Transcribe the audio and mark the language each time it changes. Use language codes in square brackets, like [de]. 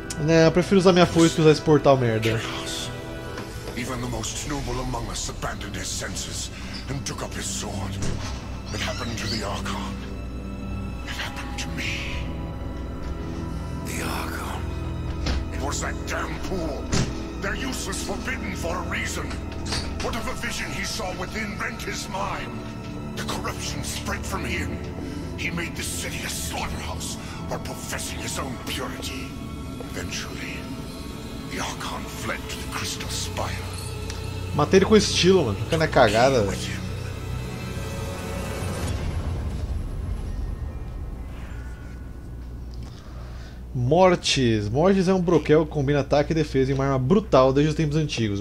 [pt] Eu prefiro usar minha foice que usar esse portal merda. [en] Even the most noble among us abandoned his senses and took up his sword. It happened to the Archon. It happened to me. The Archon. It was that damn pool. They're useless, forbidden for a reason. Whatever vision he saw within rent his mind. The corruption spread from him. He made this city a slaughterhouse while professing his own purity. Eventually. The Archon fled to the Crystal Spire. [pt] Matei ele com estilo, mano. Ficando é cagada. Mortis. Mortis é um broquel que combina ataque e defesa em uma arma brutal desde os tempos antigos.